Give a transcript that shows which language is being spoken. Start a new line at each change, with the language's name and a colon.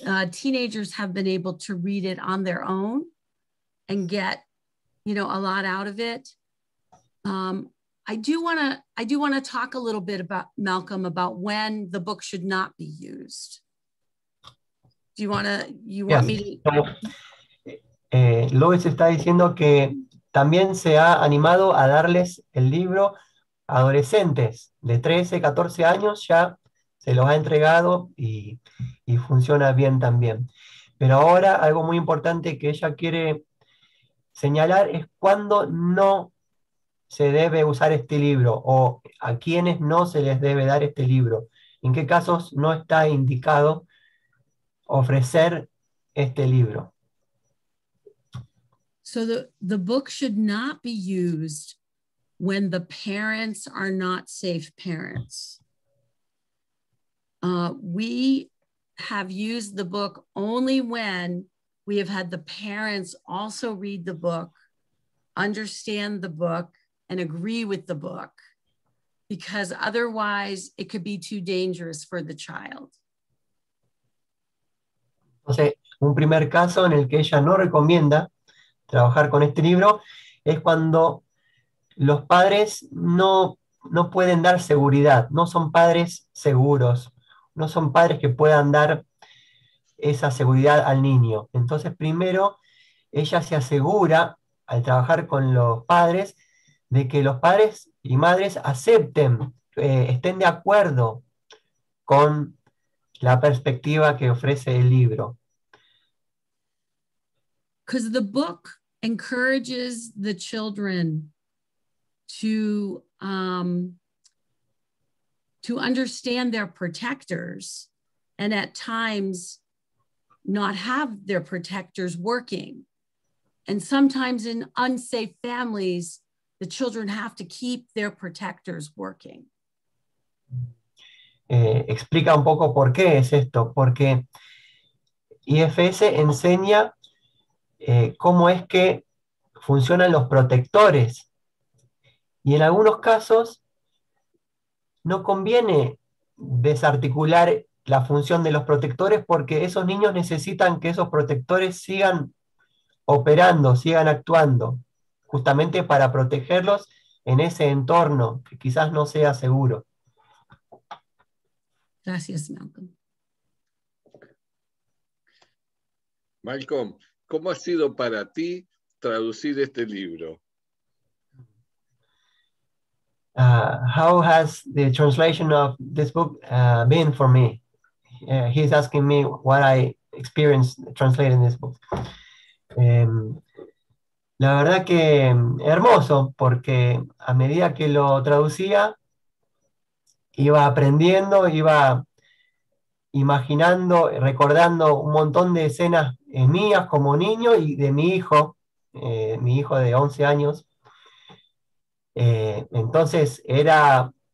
English: Teenagers have been able to read it on their own and get, you know, a lot out of it. I do want to talk a little bit about, Malcolm, about when the book should not be used.
Spanish: Lois está diciendo que también se ha animado a darles el libro a adolescentes de 13, 14 años, ya se los ha entregado y funciona bien también. Pero ahora algo muy importante que ella quiere señalar es cuándo no se debe usar este libro o a quienes no se les debe dar este libro, en qué casos no está indicado ofrecer este libro.
English: So the book should not be used when the parents are not safe parents. We have used the book only when we have had the parents also read the book, understand the book, and agree with the book, because otherwise it could be too dangerous for the child.
Spanish: Entonces, un primer caso en el que ella no recomienda trabajar con este libro es cuando los padres no pueden dar seguridad, no son padres seguros, no son padres que puedan dar esa seguridad al niño. Entonces, primero, ella se asegura, al trabajar con los padres, de que los padres y madres acepten, estén de acuerdo con la perspectiva que ofrece el libro.
English: Because the book encourages the children to understand their protectors and at times not have their protectors working. And sometimes in unsafe families, the children have to keep their protectors working.
Spanish: Explica un poco por qué es esto. Porque IFS enseña cómo es que funcionan los protectores. Y en algunos casos no conviene desarticular la función de los protectores porque esos niños necesitan que esos protectores sigan operando, sigan actuando, justamente para protegerlos en ese entorno que quizás no sea seguro. Gracias, Malcolm. Malcolm, ¿cómo ha sido para ti traducir este libro?
English: How has the translation of this book been for me? He's asking me what I experienced translating this book.
Spanish: La verdad que hermoso, porque a medida que lo traducía, iba aprendiendo, iba imaginando, recordando un montón de escenas mías como niño y de mi hijo de 11 años. Entonces era